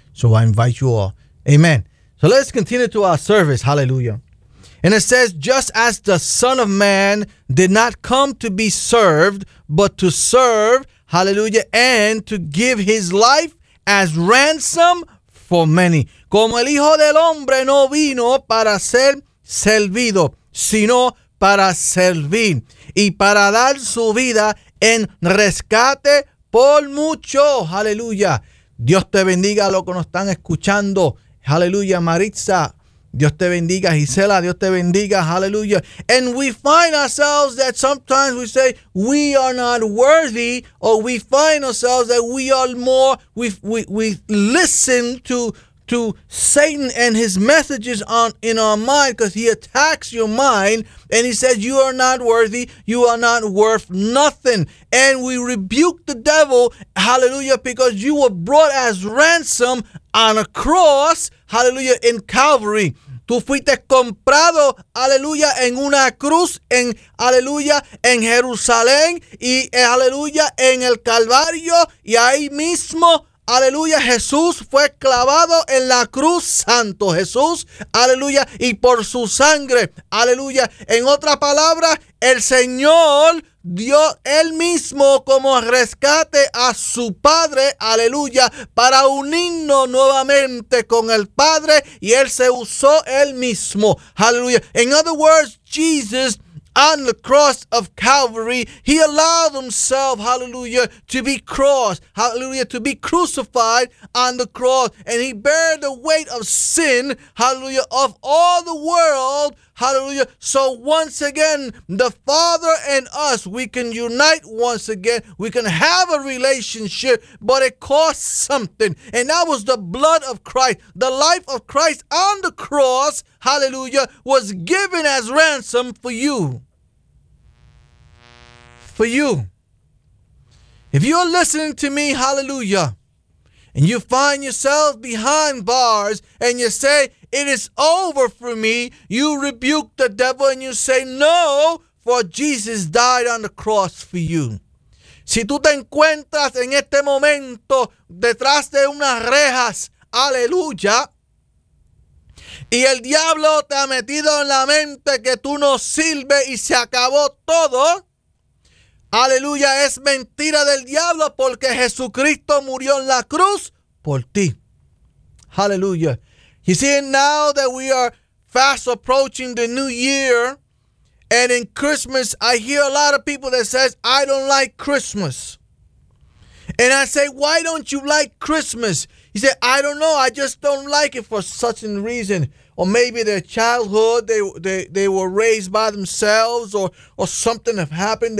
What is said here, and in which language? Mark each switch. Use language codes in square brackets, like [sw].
[en] So I invite you all. Amen. So let's continue to our service. Hallelujah. And it says, just as the Son of Man did not come to be served, but to serve, hallelujah, and to give his life as ransom for many. [es] Como el Hijo del Hombre no vino para ser servido, sino para servir, y para dar su vida en rescate por muchos. Hallelujah. Dios te bendiga a los que nos están escuchando. Hallelujah, Maritza. Dios te bendiga, Gisela. Dios te bendiga. Hallelujah. [en] And we find ourselves that sometimes we say we are not worthy, or we find ourselves that we are more, we listen to Satan and his messages in our mind, because he attacks your mind and he says you are not worthy, you are not worth nothing. And we rebuke the devil, hallelujah, because you were brought as ransom on a cross. Hallelujah, in Calvary. [es] Tú fuiste comprado, aleluya, en una cruz, en aleluya, en Jerusalén, y aleluya, en el Calvario, y ahí mismo, aleluya, Jesús fue clavado en la cruz, Santo Jesús, aleluya, y por su sangre, aleluya. En otras palabras, el Señor dio él mismo como rescate a su Padre, aleluya, para unirnos nuevamente con el Padre, y él se usó él mismo, aleluya. [en] In other words, Jesus, on the cross of Calvary, he allowed himself, hallelujah, to be crossed, hallelujah, to be crucified on the cross, and he bare the weight of sin, hallelujah, of all the world, hallelujah. So once again, the Father and us, we can unite once again. We can have a relationship, but it costs something. And that was the blood of Christ. The life of Christ on the cross, hallelujah, was given as ransom for you. For you. If you're listening to me, hallelujah, and you find yourself behind bars and you say, it is over for me, you rebuke the devil and you say, no, for Jesus died on the cross for you. [es] Si tú te encuentras en este momento detrás de unas rejas, aleluya, y el diablo te ha metido en la mente que tú no sirves y se acabó todo, aleluya, es mentira del diablo, porque Jesucristo murió en la cruz por ti. Aleluya. [en] You see, now that we are fast approaching the new year, and in Christmas, I hear a lot of people that says, I don't like Christmas. And I say, why don't you like Christmas? He said, I don't know. I just don't like it for such a reason. Or maybe their childhood, they were raised by themselves, or something have happened.